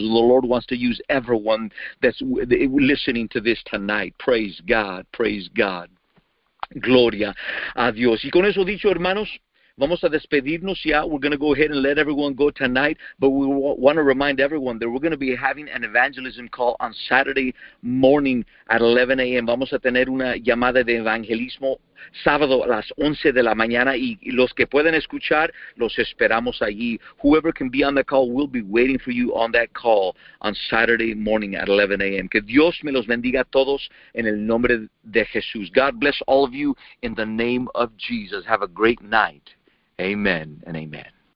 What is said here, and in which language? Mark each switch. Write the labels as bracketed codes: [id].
[en] The Lord wants to use everyone that's listening to this tonight. Praise God. Praise God. [es] Gloria a Dios. Y con eso dicho, hermanos, vamos a despedirnos ya. [en] We're going to go ahead and let everyone go tonight, but we want to remind everyone that we're going to be having an evangelism call on Saturday morning at 11 a.m. [es] Vamos a tener una llamada de evangelismo sábado a las 11 de la mañana, y los que pueden escuchar, los esperamos allí. [en] Whoever can be on the call, we'll be waiting for you on that call on Saturday morning at 11 a.m. [es] Que Dios me los bendiga a todos en el nombre de Jesús. [en] God bless all of you in the name of Jesus. Have a great night. Amen and amen.